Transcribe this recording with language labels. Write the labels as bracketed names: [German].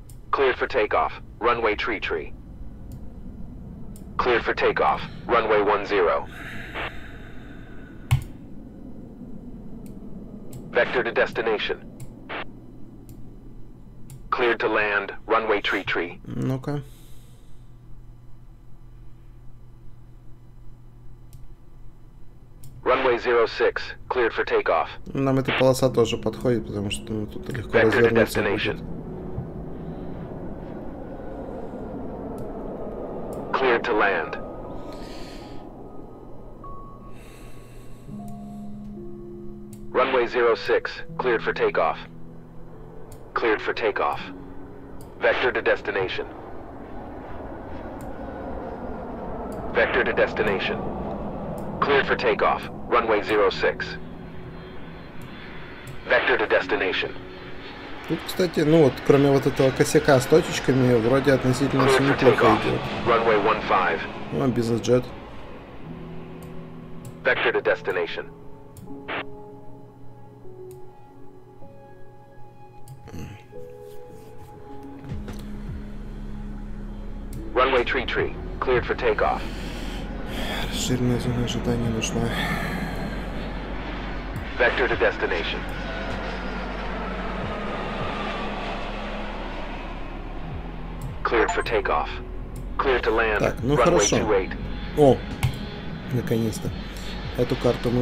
[English] Cleared for takeoff, runway tree tree. Cleared for takeoff, runway 10. Vector to destination. Cleared to land, runway tree tree. [Russian] Ну-ка. [English] Runway 06, cleared for takeoff. [Russian] Нам эта полоса тоже подходит, потому что ну, тут легко развернуться. [English] Cleared to land. Runway 06, cleared for takeoff. Cleared for takeoff. Vector to destination. Vector to destination. Cleared for takeoff, runway 06. Vector to destination. [Russian] Тут, кстати, ну вот, кроме вот этого косяка с точечками, вроде относительно все неплохо идет. [English] Runway 15. [Russian] Ну, бизнес-джет. [English] Vector to destination. Runway tree tree, cleared for takeoff. [Russian] Расширенная зона ожидания нужна. [English] Vector to destination. Cleared for takeoff. Cleared to land. [Russian] Так, ну [English] runway [Russian] хорошо. 28. О, наконец-то. Эту карту мы